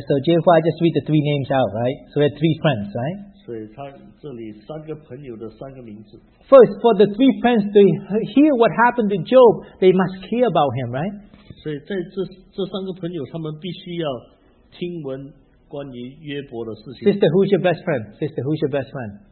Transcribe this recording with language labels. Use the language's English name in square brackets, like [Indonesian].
[English] so Jehua, I just read the three names out, right? So we have three friends, right? [Chinese] 所以他这里三个朋友的三个名字。First, [English] for the three friends to hear what happened to Job, they must hear about him, right? [Chinese] 所以在这三个朋友，他们必须要听闻关于约伯的事情。 [English] Sister, who's your best friend? Sister, who's your best friend?